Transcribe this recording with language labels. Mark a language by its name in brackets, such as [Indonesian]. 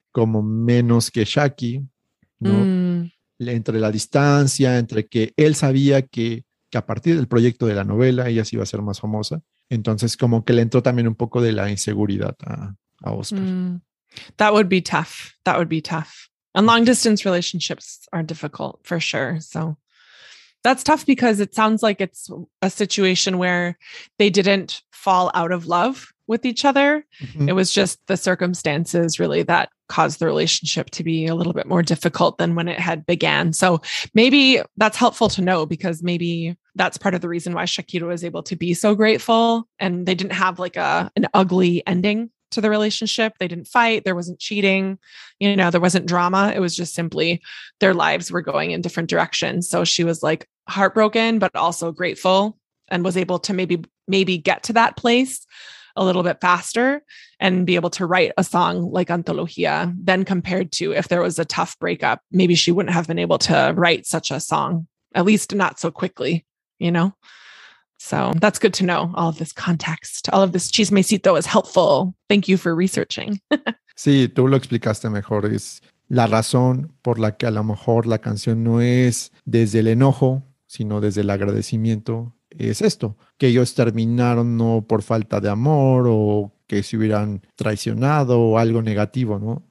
[Spanish] como menos que Shaki, ¿no? Entre la distancia, entre que él sabía que a partir del proyecto de la novela ella sí iba a ser más famosa. Entonces, como que le entró también un poco de la inseguridad a Oscar. [English] That would be tough. That would be tough. And long distance relationships are difficult for sure. So that's tough because it sounds like it's a situation where they didn't fall out of love with each other. Mm-hmm. It was just the circumstances really that caused the relationship to be a little bit more difficult than when it had began. So maybe that's helpful to know because maybe that's part of the reason why Shakira was able to be so grateful and they didn't have like an ugly ending to the relationship. They didn't fight. There wasn't cheating. You know, there wasn't drama. It was just simply their lives were going in different directions. So she was like heartbroken, but also grateful and was able to maybe get to that place a little bit faster and be able to write a song like Antología, then compared to if there was a tough breakup, maybe she wouldn't have been able to write such a song, at least not so quickly, you know? So that's good to know all of this context, all of this chismecito is helpful. Thank you for researching. [Spanish] Sí, tú lo explicaste mejor. Es la razón por la que a lo mejor la canción no es desde el enojo, sino desde el agradecimiento. Es esto, que ellos terminaron no por falta de amor o que se hubieran traicionado o algo negativo, ¿no?